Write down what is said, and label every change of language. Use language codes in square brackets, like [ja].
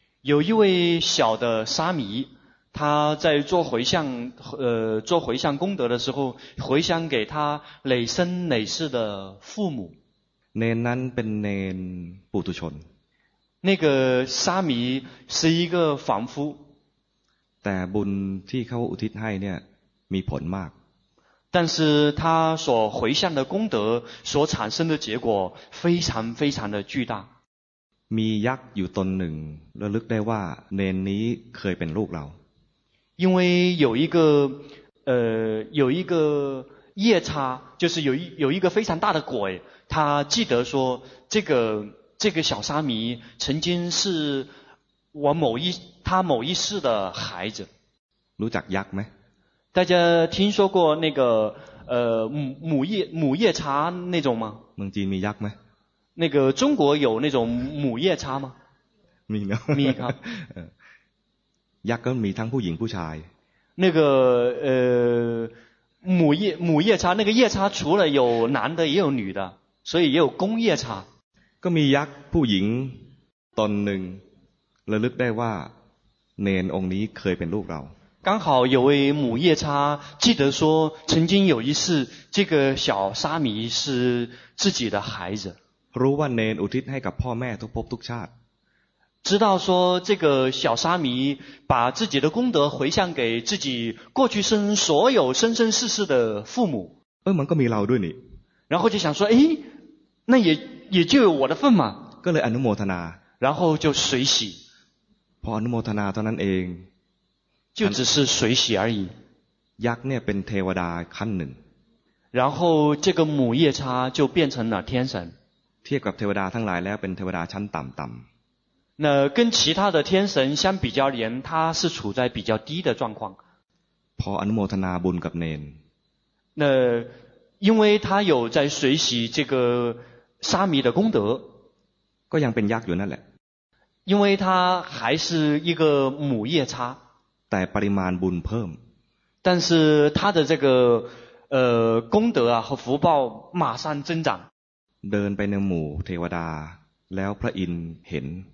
[zh] 有一位小的沙弥。他在做回向，做回向功德的时候，回向给他累生累世的父母。 [th] เนนนั้นเป็นเนนปุถุชน。 [zh] 那个沙弥是一个凡夫。 [th] แต่บุญที่เขาอุทิศให้เนี่ยมีผลมาก。 [zh] 但是他所回向的功德所产生的结果非常非常的巨大。 [th] มียักษ์อยู่ตนหนึ่งระลึกได้ว่าเนนนี้เคยเป็นลูกเรา。 [zh] 因为有一个业叉，就是有一个非常大的鬼，他记得说这个小沙弥曾经是他某一世的孩子。 [th] รู้จักยักษ์ไหม？ [zh] 大家听说过那个母夜叉那种吗？ [th] เมืองจีนมียักษ์ไหม？ [zh] 那个中国有那种母夜叉吗？ [th] มีนะ。 มีครับ。 ยักษ์ก็มีทั้งผู้หญิงผู้ชาย [zh] 那个母夜叉那个夜叉除了有男的也有女的所以也有公夜叉 [th] ก็มียักษ์ผู้หญิงตนหนึ่งระลึกได้ว่าเนนองค์นี้เคยเป็นลูกเรา [zh] 刚好有位母夜叉记得说曾经有一次这个小沙弥是自己的孩子 [th] รู้ว่าเนนอุทิศให้กับพ่อแม่ทุกภพทุกชาติ [zh] 知道说这个小沙弥把自己的功德回向给自己过去生所有生生世世的父母。 [th] เออมันก็มีเราด้วยนี่。 [zh] 然后就想说，哎，那也就有我的份嘛。 [th] ก็เลยอนุโมทนา。 [zh] 然后就随喜。 [th] พออนุโมทนาเท่านั้นเอง。 [zh] 就只是随喜而已。 [th] ยักษ์เนี่ยเป็นเทวดาขั้นหนึ่ง。 [zh] 然后这个母夜叉就变成了天神。 [th] เทียบกับเทวดาทั้งหลายแล้วเป็นเทวดาชั้นต่ำต่ำ。 [zh] 那跟其他的天神相比较连他是处在比较低的状况。 [th] พออนุโมทนาบุญกับเนน。 [zh] 那因为他有在随喜这个沙弥的功德。 [th] ก็ยังเป็นยักษ์อยู่นั่นแหละ。 [zh] 因为他还是一个母夜叉。 [th] แต่ปริมาณบุญเพิ่ม。 [zh] 但是他的这个功德啊和福报马上增长。 [th] เดินไปในหมู่เทวดาแล้วพระอินทร์เห็น。